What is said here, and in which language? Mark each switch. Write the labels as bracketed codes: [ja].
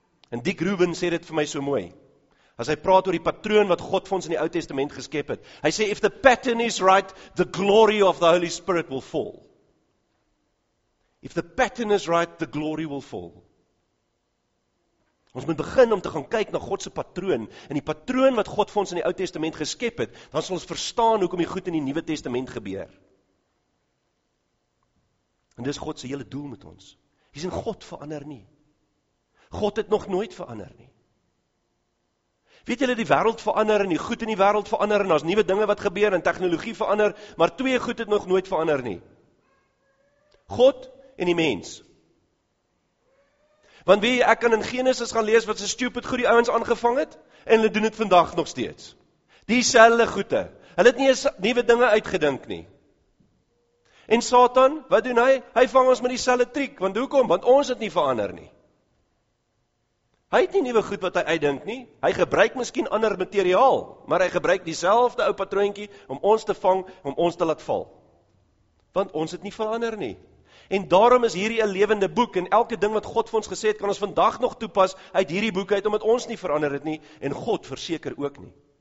[af] En Dick Rubin sê dit vir my so mooi, as hy praat oor die patroon wat God vir ons in die Ou Testament geskep het, hy sê, [en] if the pattern is right, the glory of the Holy Spirit will fall. If the pattern is right, the glory will fall. [af] Ons moet begin om te gaan kyk na God se patroon, en die patroon wat God vir ons in die Ou Testament geskep het, dan sal ons verstaan hoekom die goed in die Nuwe Testament gebeur. En dis God se hele doel met ons. Jy sien, God verander nie. God het nog nooit verander nie. Weet julle, die wêreld verander en die goed in die wêreld verander en daar's nuwe dinge wat gebeur en tegnologie verander, maar twee goed het nog nooit verander nie. God en die mens. Want wie, ek kan in Genesis gaan lees wat se stupid goed die ouens aangevang het en hulle doen dit vandag nog steeds. Dieselfde goede. Hulle het nie eens nuwe dinge uitgedink nie. En Satan, wat doen hy? Hy vang ons met dieselfde triek. Want hoekom? Want ons het nie verander nie. Hy het nie nuwe goed wat hy uitdink nie. Hy gebruik miskien ander materiaal, maar hy gebruik dieselfde ou patroontjie om ons te vang, om ons te laat val. Want ons het nie verander nie. En daarom is hierdie 'n lewende boek en elke ding wat God vir ons gesê het, kan ons vandag nog toepas uit hierdie boek uit omdat ons nie verander het nie en God verseker ook nie.